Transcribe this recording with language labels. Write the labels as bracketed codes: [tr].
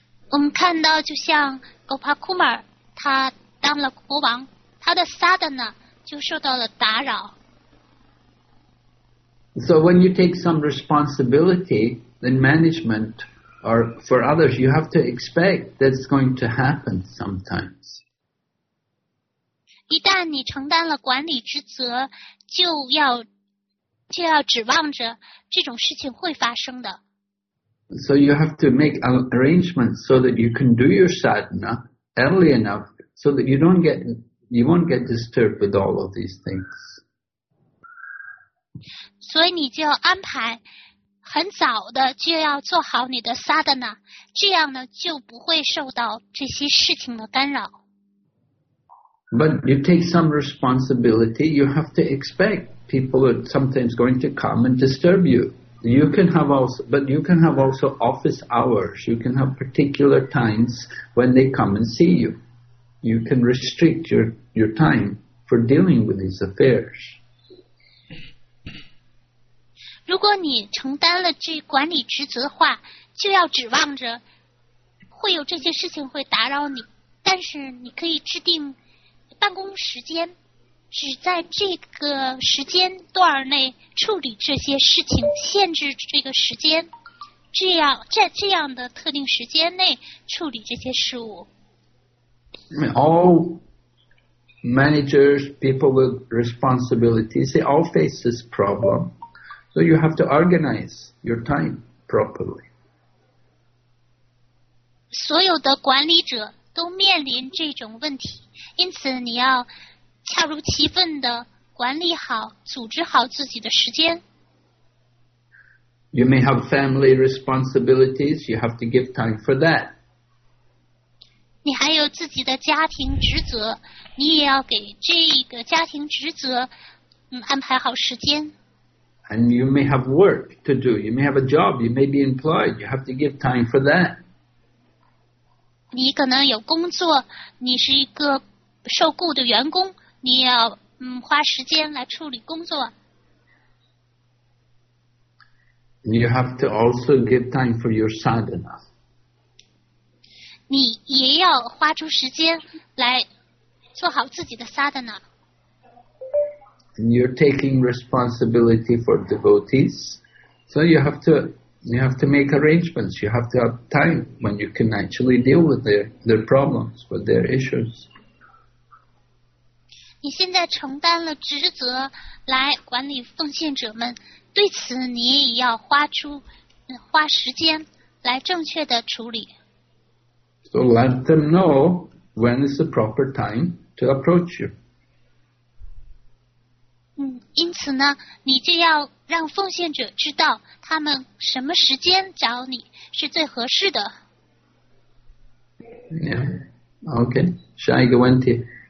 [zh] 我们看到，就像 Gopal Kumar, 他当了国王，他的 sadhana 就受到了打扰。 [en] So when you take some responsibility in management or for others, you have to expect that it's going to happen sometimes. [zh] 一旦你承担了管理职责，就要指望着这种事情会发生的。 [en] So you have to make arrangements so that you can do your sadhana early enough so that you won't get disturbed with all of these things. [zh] 所以你就要安排很早的就要做好你的 sadhana， 这样呢就不会受到这些事情的干扰。 [en] But you take some responsibility, you have to expect people are sometimes going to come and disturb you. You can have also, but you can have also office hours. You can have particular times when they come and see you. You can restrict your time for dealing with these affairs. [zh] 如果你承担了这管理职责的话，就要指望着会有这些事情会打扰你。但是你可以制定办公时间，只在这个时间段内处理这些事情，限制这个时间，这样在这样的特定时间内处理这些事务。 [en] All managers, people with responsibilities, they all face this problem. So you have to organize your time properly. [zh] 所有的管理者都面临这种问题，因此你要恰如其分地管理好、组织好自己的时间。 [en] You may have family responsibilities, you have to give time for that. [zh] 你还有自己的家庭职责，你也要给这个家庭职责安排好时间。 [en] And you may have work to do, you may have a job, you may be employed, you have to give time for that. [zh] 你可能有工作，你是一个受雇的员工，你要花时间来处理工作。 [en] You have to also give time for your sadhana. [zh] 你也要花出时间来做好自己的 sadhana。 [en] And you're taking responsibility for devotees, so you have to make arrangements. You have to have time when you can actually deal with their problems, with their issues. [zh] 你现在承担了职责来管理奉献者们，对此你也要花时间来正确的处理。 [en] So let them know when is the proper time to approach you. [zh] 因此呢，你就要让奉献者知道他们什么时间找你是最合适的。 Yeah. OK, 下一个问题。